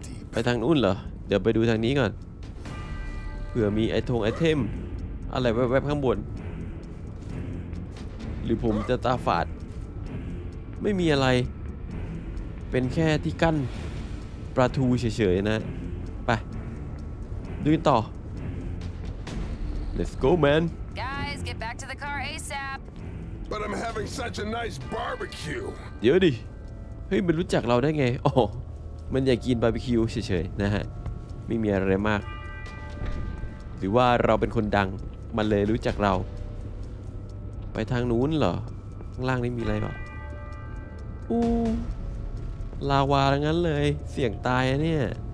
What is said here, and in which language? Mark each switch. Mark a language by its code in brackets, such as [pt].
[th] ไปทางนู้นเหรอเดี๋ยวไปดูทางนี้ก่อนเผื่อมีไอ้ทงไอเทมอะไรแวบๆข้างบนหรือผมจะตาฝาดไม่มีอะไรเป็นแค่ที่กั้นประตูเฉยๆนะไปดูต่อ [en] Let's go man Guys get back to the car ASAP But I'm having such a nice barbecue [th] เดี๋ยวดิเฮ้ยมันรู้จักเราได้ไงอ๋อมันอยากกินบาร์บีคิวเฉยๆนะฮะไม่มีอะไรมากหรือว่าเราเป็นคนดังมันเลยรู้จักเราไปทางนู้นเหรอข้างล่างนี่มีอะไรเปล่าอู้ลาวาทั้งนั้นเลยเสี่ยงตายอ่ะเนี่ย